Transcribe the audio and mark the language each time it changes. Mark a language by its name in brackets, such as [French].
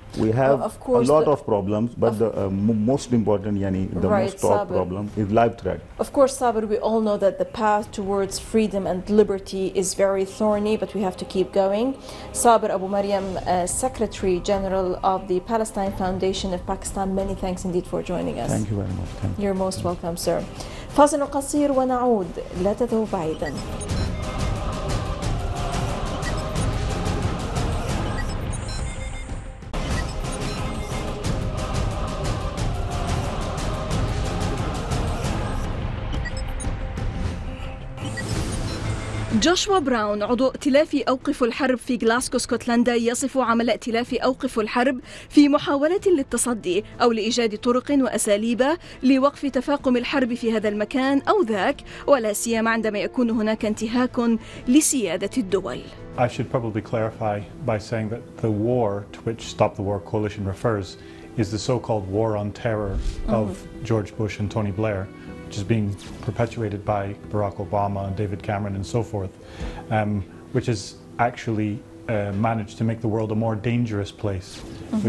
[English] We have a lot of problems, but the most important, problem is life threat. Of course, Sabr, we all know that the path towards freedom and liberty is very thorny, but we have to keep going. Sabr Abu Maryam, Secretary General of the Palestine Foundation of Pakistan, many thanks indeed for joining us. Thank you very much. Thank You're you. Most welcome, sir. [Arabic] فاصل قصير ونعود لا تذهب بعيدا. جوشوا براون عضو ائتلاف أوقف الحرب في غلاسكو سكوتلندا يصف عمل ائتلاف أوقف الحرب في محاولة للتصدي أو لإيجاد طرق وأساليب لوقف تفاقم الحرب في هذا المكان أو ذاك ولا سيما عندما يكون هناك انتهاك لسيادة الدول. [English] I should probably clarify by saying that the war to which Stop the War Coalition refers is the so-called war on terror of George Bush and Tony Blair. Which is being perpetuated by Barack Obama and David Cameron and so forth, which has actually managed to make the world a more dangerous place, mm-hmm.